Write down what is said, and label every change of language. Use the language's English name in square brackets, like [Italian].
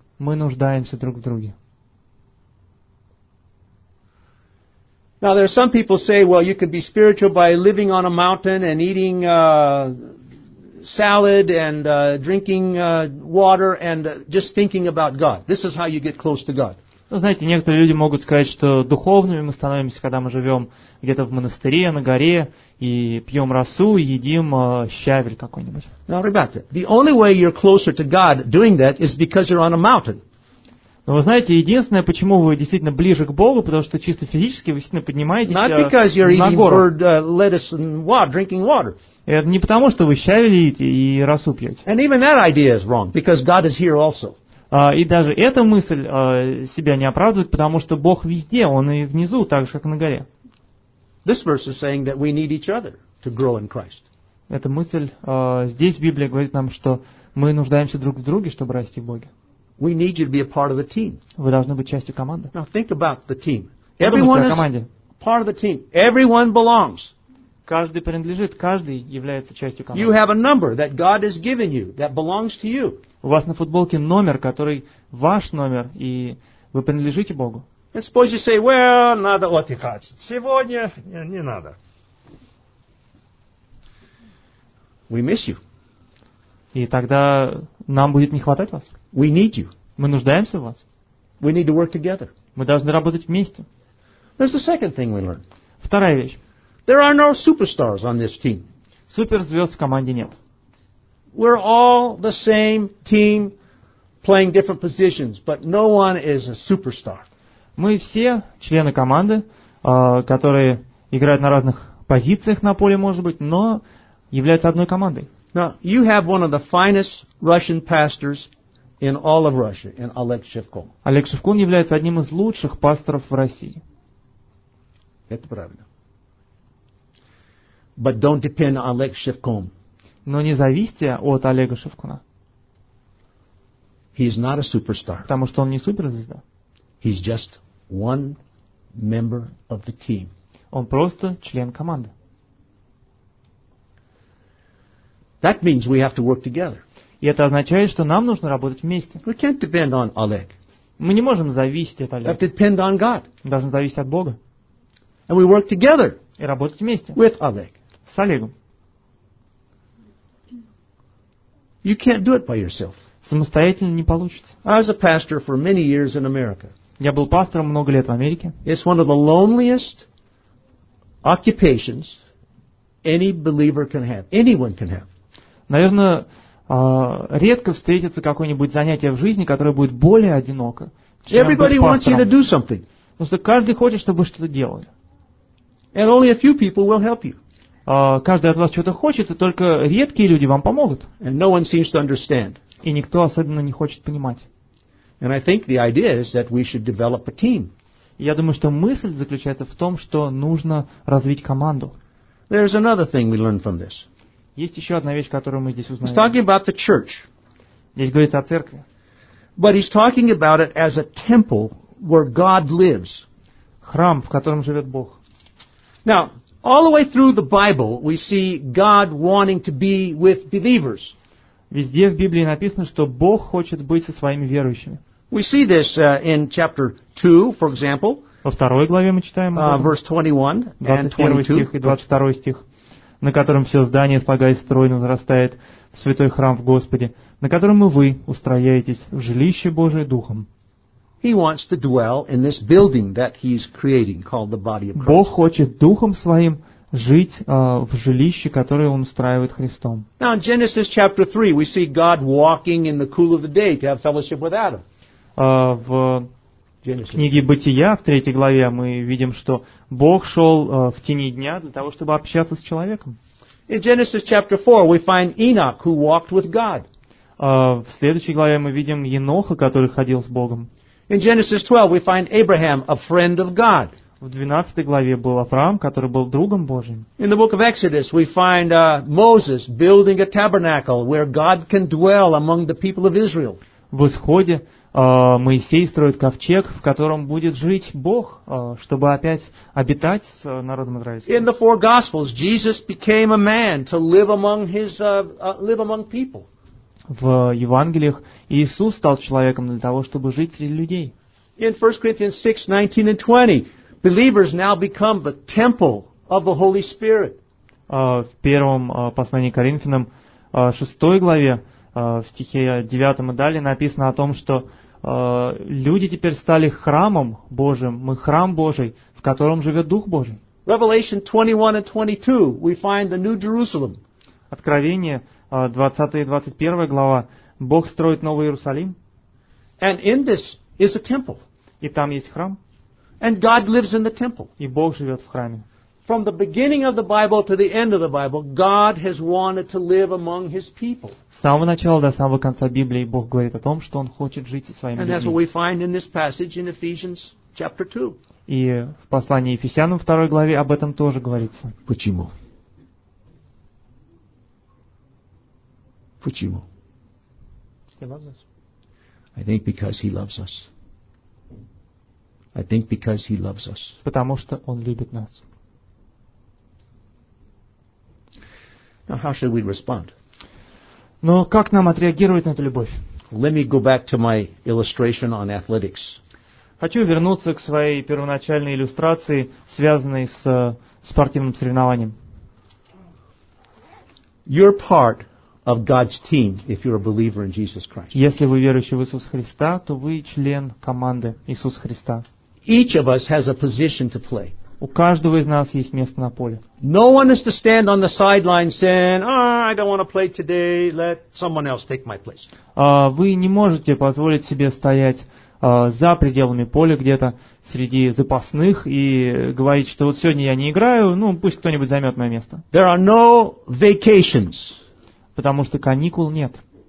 [Russian] Мы нуждаемся друг в друге. [English] Now there are some people say, well, you can be spiritual by living on a mountain and eating salad and drinking water and just thinking about God. This is how you get close to God. [Russian] Ну, знаете, некоторые люди могут сказать, что духовными мы становимся, когда мы живем где-то в монастыре, на горе, и пьем росу, и едим щавель какой-нибудь. [English] Now, [Russian] ребята, [English] the only way you're closer to God doing that is because you're on a mountain. [Russian] Но вы знаете, единственное, почему вы действительно ближе к Богу, потому что чисто физически вы действительно поднимаетесь на гору. [English] Not because you're eating bird, lettuce and water, drinking water. [Russian] Это не потому, что вы щавель едите и росу пьете. [English] And even that idea is wrong, because God is here also. [Russian] И даже эта мысль себя не оправдывает, потому что Бог везде, Он и внизу, так же, как на горе. [English] This verse is saying that we need each other to grow in Christ. [Russian] Эта мысль здесь Библия говорит нам, что мы нуждаемся друг в друге, чтобы расти в Боге. [English] We need you to be a part of the team. [Russian] Вы должны быть частью команды. [English] Now think about the team. Everyone is part of the team. Everyone belongs. [Russian] Каждый принадлежит, каждый является частью команды. [English] You have a number that God has given you that belongs to you. [Russian] У вас на футболке номер, который ваш номер, и вы принадлежите Богу. [English] And suppose you say, well, [Russian] надо отдыхать. Сегодня не надо. [English] We miss you. [Russian] И тогда нам будет не хватать вас. [English] We need you. [Russian] Мы нуждаемся в вас. [English] We need to work together. [Russian] Мы должны работать вместе. [English] There's the second thing we learned. [Russian] Вторая вещь. [English] There are no superstars on this team. [Russian] Суперзвезд в команде нет. [English] We're all the same team, playing different positions, but no one is a superstar. [Russian] Мы все члены команды, которые играют на разных позициях на поле, может быть, но являются одной командой. [English] Now, you have one of the finest Russian pastors in all of Russia, in Oleg Shevkun. [Russian] Олег Шевкун является одним из лучших пасторов в России. Это правильно. [English] But don't depend on Oleg Shevkun. [Russian] Но не зависьте от Олега Шевкуна. [English] He's not a superstar. [Russian] Потому что он не суперзвезда. [English] He's just one member of the team. [Russian] Он просто член команды. [English] That means we have to work together. [Russian] И это означает, что нам нужно работать вместе. [English] We can't depend on Oleg. [Russian] Мы не можем зависеть от Олега. [English] We have to depend on God. [Russian] Мы должны зависеть от Бога. [English] And we work together. [Russian] И работать вместе. [English] With Oleg. [Russian] С Олегом. [English] You can't do it by yourself. [Russian] Самостоятельно не получится. [English] I was a pastor for many years in America. [Russian] Я был пастором много лет в Америке. [English] It's one of the loneliest occupations any believer can have. Anyone can have. [Russian] Наверное, редко встретится какое-нибудь занятие в жизни, которое будет более одиноко, чем [English] Everybody [Russian] быть пастором. [English] Wants you to do something. [Russian] Потому что каждый хочет, чтобы вы что-то делали. [English] And only a few people will help you. [Russian] Каждый от вас что-то хочет, и только редкие люди вам помогут. [English] And no one seems to understand. [Russian] И никто особенно не хочет понимать. [English] And I think the idea is that we should develop a team. [Russian] Я думаю, что мысль заключается в том, что нужно развить команду. [English] There is another thing we learn from this. [Russian] Есть еще одна вещь, которую мы здесь узнаем. [English] He's talking about the church. [Russian] Здесь говорится о церкви. [English] But he's talking about it as a temple where God lives. [Russian] Храм, в котором живет Бог. [English] Now, all the way through the Bible, we see God wanting to be with believers. [Russian] Везде в Библии написано, что Бог хочет быть со своими верующими. [English] We see this in chapter 2, for example. [Russian] Во второй главе мы читаем [English] verse 21 and 22. [Russian] Стих и 22 стих, на котором все здание, слагаясь стройно, возрастает в святой храм в Господе, на котором и вы устрояетесь в жилище Божие Духом. [English] He wants to dwell in this building that he's creating, called the body of Christ. [Russian] Бог хочет духом своим жить в жилище, которое он устраивает Христом. [English] Now in Genesis chapter 3, we see God walking in the cool of the day to have fellowship with Adam. [Russian] В книге Бытия, в третьей главе, мы видим, что Бог шел в тени дня для того, чтобы общаться с человеком. [English] In Genesis chapter 4, we find Enoch, who walked with God. [Russian] В следующей главе мы видим Еноха, который ходил с Богом. [English] In Genesis 12, we find Abraham, a friend of God. [Russian] В 12 главе был Авраам, который был другом Божьим. [English] In the book of Exodus, we find Moses building a tabernacle where God can dwell among the people of Israel. [Russian] В Исходе Моисей строит ковчег, в котором будет жить Бог, чтобы опять обитать с народом израильским. [English] In the four Gospels, Jesus became a man to live among his live among people. [Russian] В Евангелиях Иисус стал человеком для того, чтобы жить среди людей. [English] In 1 Corinthians 6:19 and 20, believers now become the temple of the Holy Spirit. [Russian] В первом послании к Коринфянам, 6 главе, в стихе 9 и далее написано о том, что люди теперь стали храмом Божьим, мы храм Божий, в котором живет Дух Божий. [English] Revelation 21 and 22, we find the New Jerusalem. [Russian] Откровение, 20 и 21 глава, Бог строит Новый Иерусалим. [English] And in this is a temple. [Russian] И там есть храм. [English] And God lives in the temple. [Russian] И Бог живет в храме. [English] From the beginning of the Bible to the end of the Bible, God has wanted to live among His people. [Russian] С самого начала до самого конца Библии Бог говорит о том, что Он хочет жить со своими людьми. [English] And that's what we find in this passage in Ephesians chapter 2. [Russian] И в послании Ефесянам 2 главе об этом тоже говорится. Почему? Почему? [English] He loves us. I think because He loves us. I think because He loves us. [Russian] Потому что Он любит нас. [English] Now, how should we respond? [Russian] Но как нам отреагировать на эту любовь? [English] Let me go back to my illustration on athletics. [Russian] Хочу вернуться к своей первоначальной иллюстрации, связанной с спортивным соревнованием. [English] You're part of God's team if you're a believer in Jesus Christ. [Russian] Если вы верующий в Иисуса Христа, то вы член команды Иисуса Христа. [English] Each of us has a position to play. [Russian] У каждого из нас есть место на поле. [English] No one is to stand on the sidelines saying, "Ah, oh, I don't want to play today. Let someone else take my place." [Russian] Вы не можете позволить себе стоять за пределами поля где-то среди запасных и говорить, что вот сегодня я не играю, ну пусть кто-нибудь займет мое место. [English] There are no vacations. [Russian] Потому что каникул нет.